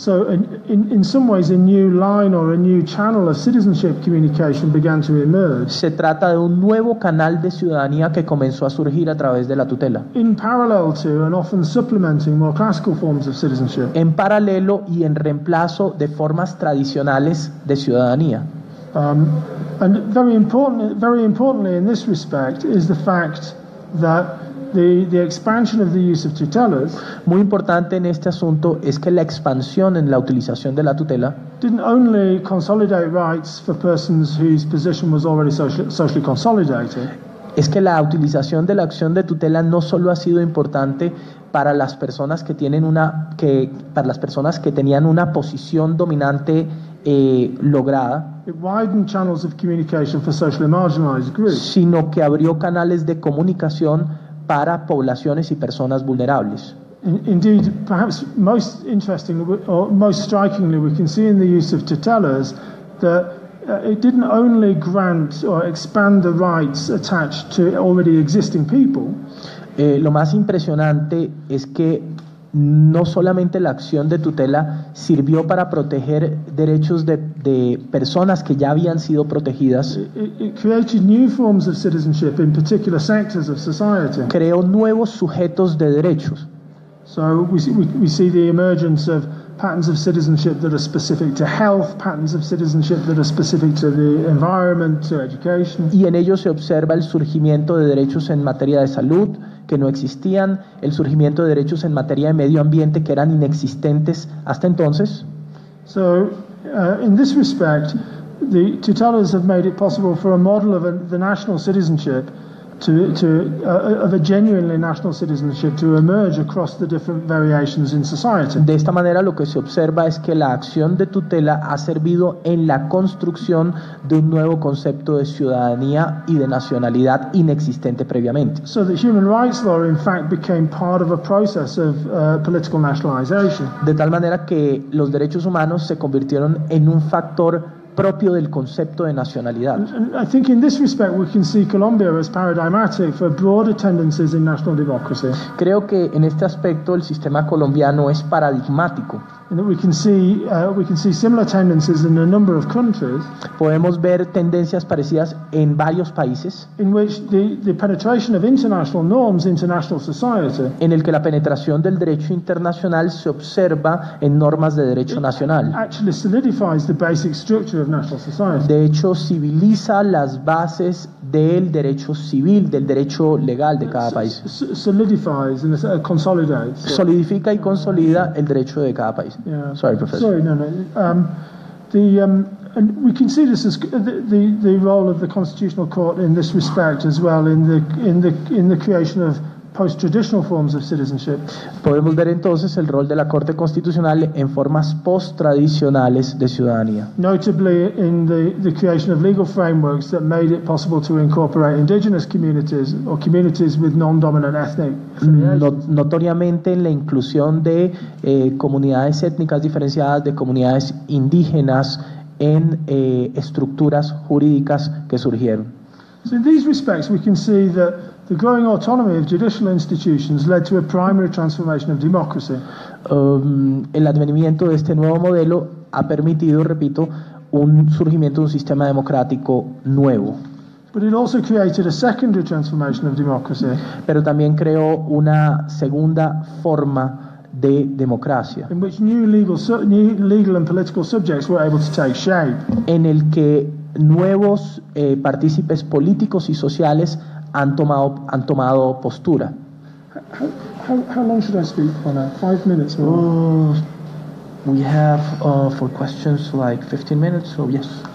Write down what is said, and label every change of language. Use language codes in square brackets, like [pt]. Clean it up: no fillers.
[en] So in some ways a new line or a new channel of citizenship communication began to emerge. [es] Se trata de un nuevo canal de ciudadanía que comenzó a surgir a través de la tutela. [en] In parallel to and often supplementing more classical forms of citizenship. [es] En paralelo y en reemplazo de formas tradicionales de ciudadanía. [en] And very importantly in this respect is the fact that the expansion of the use of tutelas. [es] Muy importante en este asunto es que la expansión en la utilización de la tutela [en] didn't only consolidate rights for persons whose position was already socially consolidated. [es] Es que la utilización de la acción de tutela no solo ha sido importante para las personas que tienen una que para las personas que tenían una posición dominante lograda. [en] It widened channels of communication for socially marginalized groups. [es] Sino que abrió canales de comunicación para poblaciones y personas vulnerables. [en] Indeed, perhaps most interestingly or most strikingly, we can see in the use of tutelas that it didn't only grant or expand the rights attached to already existing people. [es] Lo más impresionante es que no solamente la acción de tutela sirvió para proteger derechos de personas que ya habían sido protegidas. [en] It created new forms of citizenship in particular sectors of society. [es] Creó nuevos sujetos de derechos. [en] So we see the emergence of patterns of citizenship that are specific to health, patterns of citizenship that are specific to the environment, to education. [es] Y en ello se observa el surgimiento de derechos en materia de salud que no existían, el surgimiento de derechos en materia de medio ambiente que eran inexistentes hasta entonces. [en] So, in this respect, the tutelas have made it possible for a model of the national citizenship of a genuinely national citizenship to emerge across the different variations in society. [es] De esta manera, lo que se observa es que la acción de tutela ha servido en la construcción de un nuevo concepto de ciudadanía y de nacionalidad inexistente previamente. [en] So the human rights law, in fact, became part of a process of political nationalization. [es] De tal manera que los derechos humanos se convirtieron en un factor propio del concepto de nacionalidad. [en] I think in this respect we can see Colombia as paradigmatic for broader tendencies in national democracy. [es] Creo que en este aspecto el sistema colombiano es paradigmático. [en] And we can see similar tendencies in a number of countries. [es] Podemos ver tendencias parecidas en varios países. [en] In which the penetration of international norms into national society. [es] En el que la penetración del derecho internacional se observa en normas de derecho nacional. [en] Actually solidifies the basic structure of national society. [es] De hecho, civiliza las bases del derecho civil, del derecho legal de cada país. [en] Solidifies and consolidates. [es] Solidifica y consolida el derecho de cada país. [en] Yeah. Sorry, Professor. Sorry, no. And we can see this as the role of the Constitutional Court in this respect as well in the creation of post-traditional forms of citizenship. [es] Podemos ver entonces el rol de la Corte Constitucional en formas post-tradicionales de ciudadanía. [en] Notably in the creation of legal frameworks that made it possible to incorporate indigenous communities or communities with non-dominant ethnic affiliations. [es] Notoriamente en la inclusión de comunidades étnicas diferenciadas, de comunidades indígenas en estructuras jurídicas que surgieron. [en] So in these respects we can see that the growing autonomy of judicial institutions led to a primary transformation of democracy. [es] El advenimiento de este nuevo modelo ha permitido, repito, un surgimiento de un sistema democrático nuevo. [en] But it also created a secondary transformation of democracy. [es] Pero también creó una segunda forma de democracia. [en] In which new legal and political subjects were able to take shape. [es] En el que nuevos partícipes políticos y sociales han tomado postura. [en] How long should I speak for now? 5 minutes or We have for questions like 15 minutes, so yes.